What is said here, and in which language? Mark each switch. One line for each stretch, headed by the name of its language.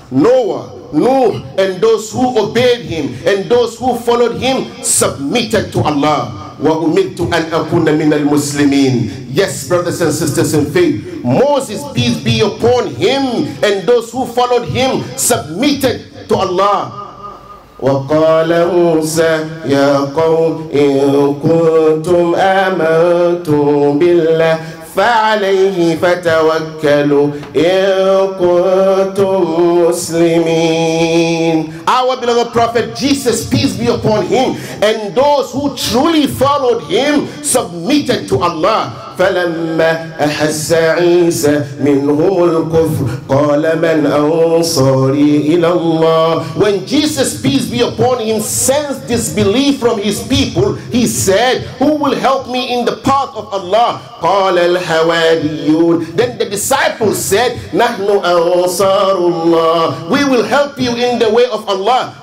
English: Noah, Nuh, and those who obeyed him, and those who followed him, submitted to Allah.
Arabic: وَأُمِرْتُ أَنْ أَكُونَ مِنَ الْمُسْلِمِينَ.
English: Yes, brothers and sisters in faith, Moses, peace be upon him, and those who followed him, submitted to Allah.
Arabic: وقال موسى يا قوم إن كنتم آمنتم بالله فعليه فتوكلوا إن كنتم مسلمين.
English: Our beloved prophet Jesus, peace be upon him, and those who truly followed him submitted to Allah.
Arabic: فلما أحس عيسى منهم الكفر قال من أنصاري إلى الله.
English: When Jesus, peace be upon him, sensed disbelief from his people, he said, who will help me in the path of Allah?
Arabic: قال الحواريون.
English: Then the disciples said,
Arabic: نحن أنصار الله.
English: We will help you in the way of Allah.